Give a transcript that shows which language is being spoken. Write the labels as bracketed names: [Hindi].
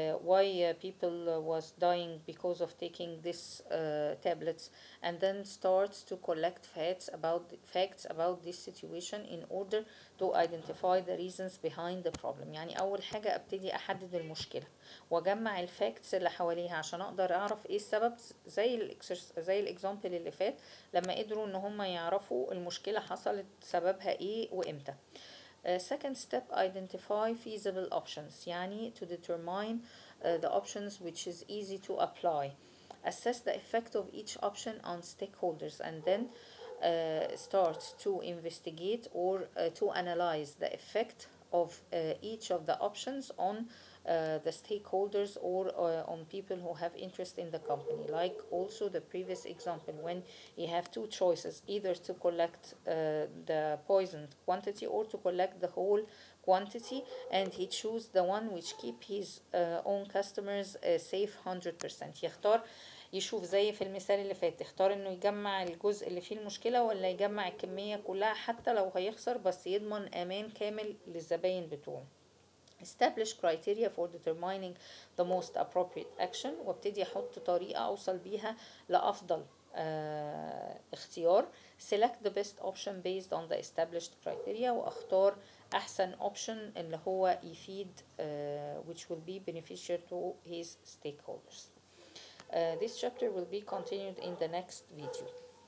[English] Why people was dying because of taking these tablets? And then starts to collect facts about this situation in order to identify the reasons behind the problem. [Arabic] يعني أول حاجة أبتدي أحدد المشكلة وأجمع الفاكتس اللي حواليها عشان أقدر أعرف إيه السبب، زي الإكزامبل اللي فات لما قدروا إن هم يعرفوا المشكلة حصلت سببها إيه وإمتى. [English] Second step, identify feasible options. يعني to determine the options which is easy to apply. Assess the effect of each option on stakeholders and then starts to investigate or to analyze the effect of each of the options on the stakeholders or on people who have interest in the company. Like also the previous example, when you have two choices, either to collect the poisoned quantity or to collect the whole quantity, and he chose the one which keep his own customers safe 100%. [Arabic] يختار يشوف زي في المثال اللي فات، اختار انه يجمع الجزء اللي فيه المشكلة ولا يجمع الكمية كلها حتى لو هيخسر، بس يضمن امان كامل للزبائن بتوعه. [English] Establish criteria for determining the most appropriate action. [Arabic] وابتدي احط طريقة اوصل بيها لافضل اختيار. [English] Select the best option based on the established criteria. [Arabic] واختار احسن option اللي هو يفيد [English] which will be beneficial to his stakeholders. This chapter will be continued in the next video.